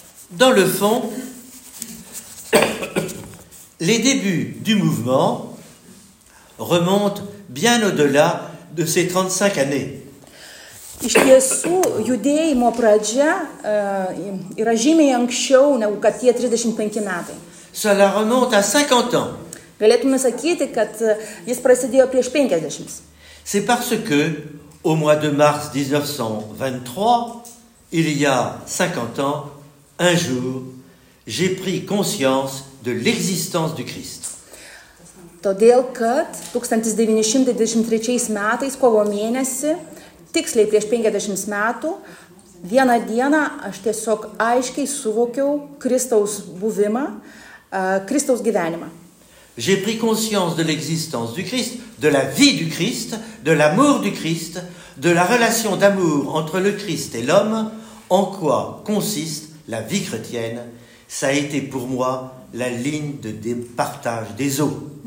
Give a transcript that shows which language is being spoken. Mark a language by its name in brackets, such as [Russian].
[French] Dans le fond, les débuts du mouvement remontent bien au-delà de ces 35 années. [Lithuanian] Iš tiesų, judėjimo pradžia yra žymiai anksčiau, negu kad tie 35 metai. [French] Cela remonte à 50 ans. [Lithuanian] Galėtume sakyti, kad jis prasidėjo prieš 50. [French] C'est parce que, au mois de mars 1923, il y a 50 ans, un jour, j'ai pris conscience de l'existence du Christ. [Lithuanian] Todėl, kad 1923 metais, kovo mėnesį, tiksliai prieš 50 metų, vieną dieną aš tiesiog aiškiai suvokiau Kristaus buvimą, Kristaus gyvenimą. [French] J'ai pris conscience de l'existence du Christ, de la vie du Christ, de l'amour du Christ, de la relation d'amour entre le Christ et l'homme, en quoi consiste la vie chrétienne, ça a été pour moi la ligne de départage des eaux.